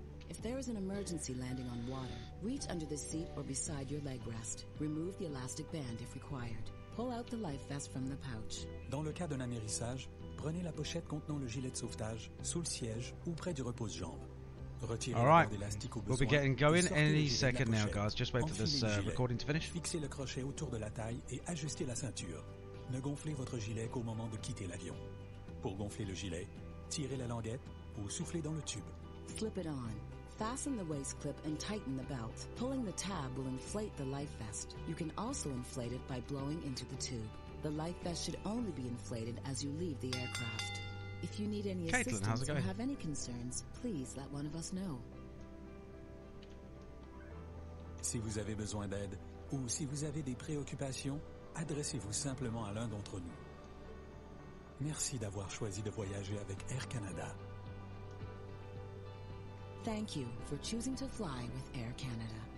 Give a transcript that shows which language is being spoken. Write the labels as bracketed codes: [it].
[en] If there is an emergency landing on water, reach under the seat or beside your leg rest. Remove the elastic band if required. Pull out the life vest from the pouch. [fr] Dans le cas d'un amérissage, prenez la pochette contenant le gilet de sauvetage sous le siège ou près du repose-jambe. [en] All right, we'll be getting going any second now, guys. Just wait for this recording to finish. [fr] Fixez le crochet autour de la taille et ajustez la ceinture. Ne gonflez votre gilet qu'au moment de quitter l'avion. Pour gonfler le gilet, tirez la languette ou soufflez dans le tube. [en] Slip it on. Fasten the waist clip and tighten the belt. Pulling the tab will inflate the life vest. You can also inflate it by blowing into the tube. The life vest should only be inflated as you leave the aircraft. If you need any assistance or have any concerns, please let one of us know. [fr] Si vous avez besoin d'aide ou si vous avez des préoccupations, adressez-vous simplement à l'un d'entre nous. Merci d'avoir choisi de voyager avec Air Canada. [en] Thank you for choosing to fly with Air Canada.